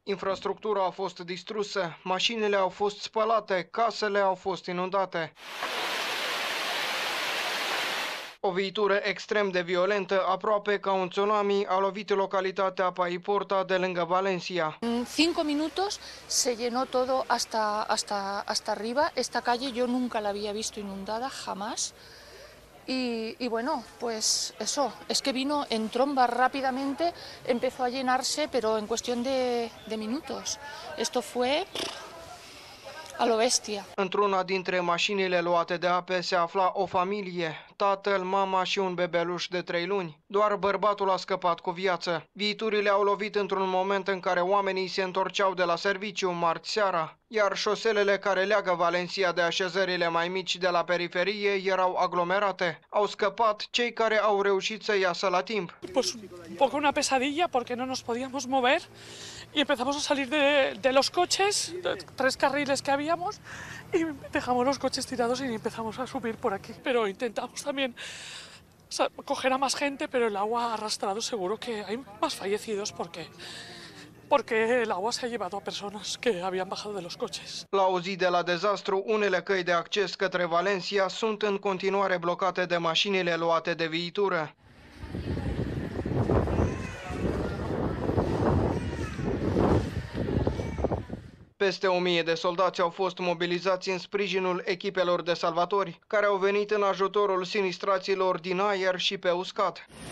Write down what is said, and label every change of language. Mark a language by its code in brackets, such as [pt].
[ro] Infrastructura a fost distrusă, mașinile au fost spălate, casele au fost inundate. O viitură extrem de violentă, aproape ca un tsunami, a lovit localitatea Paiporta de lângă Valencia. În 5 minute [es] se llenó todo hasta arriba. Esta calle yo nunca la había visto inundada jamás. Y bueno, pues eso, es que vino en tromba rápidamente, empezó a llenarse, pero en cuestión de minutos. Esto fue Aloestia. [ro] Într-una dintre mașinile luate de ape se afla o familie, tatăl, mama și un bebeluș de 3 luni. Doar bărbatul a scăpat cu viață. Viiturile au lovit într-un moment în care oamenii se întorceau de la serviciu marți seara, iar șoselele care leagă Valencia de așezările mai mici de la periferie erau aglomerate. Au scăpat cei care au reușit să iasă la timp. [es] Pues un poco una pesadilla porque no nos podíamos mover y empezamos a salir de los coches, de 3 carriles que habíamos. Y dejamos los coches tirados y empezamos a subir por aquí. Pero intentamos también coger a más gente, pero el agua ha arrastrado, seguro que hay más fallecidos porque el agua se ha llevado a personas que habían bajado de los coches. [ro] La o zi de la dezastru, unele căi de acces către Valencia sunt în continuare blocate de mașinile luate de viitură. Peste 1000 de soldați au fost mobilizați în sprijinul echipelor de salvatori, care au venit în ajutorul sinistraților din aer și pe uscat.